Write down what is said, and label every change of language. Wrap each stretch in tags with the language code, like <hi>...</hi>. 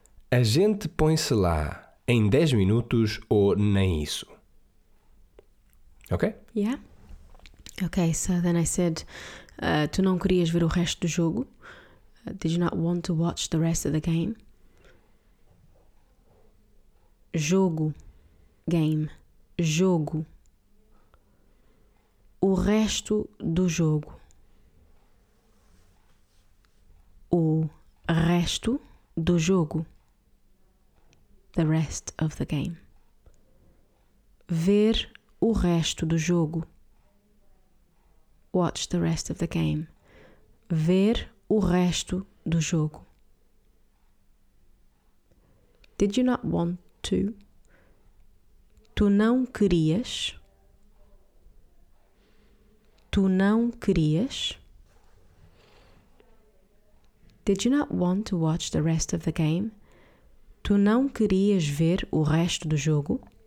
<pt>A gente põe-se lá em 10 minutos ou nem isso.</pt> <en>Okay? Yeah. Okay, so then I said,</en> <pt>Tu não querias ver o resto do jogo?</pt> <en>Did you not want to watch the rest of the game?</en> <pt>Jogo. Game. Jogo. O resto do jogo. O resto do jogo.</pt> <en>The rest of the game.</en> <pt>Ver o resto do jogo.</pt> <en>Watch the rest of the game.</en> <pt>Ver o resto do jogo.</pt> <en>Did you not want to?</en> <pt>Tu não querias? Tu não querias?</pt> <en>Did you not want to watch the rest of the game?</en> <pt>Tu não querias ver o resto do jogo?</pt>